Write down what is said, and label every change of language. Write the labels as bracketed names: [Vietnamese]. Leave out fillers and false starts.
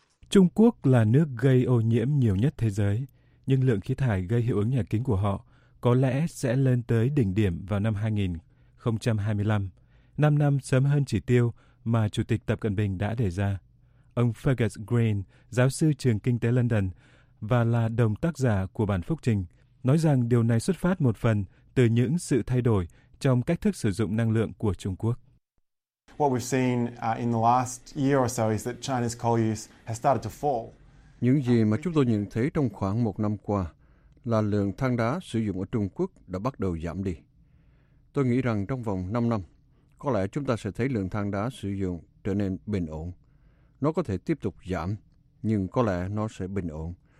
[Vietnamese] Trung Quốc là nước gây ô nhiễm nhiều nhất thế giới, nhưng lượng khí thải gây hiệu ứng nhà kính của họ có lẽ sẽ lên tới đỉnh điểm vào năm 2025, 5 năm sớm hơn chỉ tiêu mà Chủ tịch Tập Cận Bình đã đề ra. Ông Fergus Green, giáo sư trường kinh tế London và là đồng tác giả của bản phúc trình, nói rằng điều này xuất phát một phần từ những sự thay đổi trong cách thức sử dụng năng lượng của Trung Quốc. [English] What we've seen in the last year or so is that China's coal use has started to fall. [Vietnamese] Những gì mà chúng tôi nhận thấy trong khoảng một năm qua là lượng than đá sử dụng ở Trung Quốc đã bắt đầu giảm đi. Tôi nghĩ rằng trong vòng 5 năm, có lẽ chúng ta sẽ thấy lượng than đá sử dụng trở nên bình ổn. Nó có thể tiếp tục giảm, nhưng có lẽ nó sẽ bình ổn.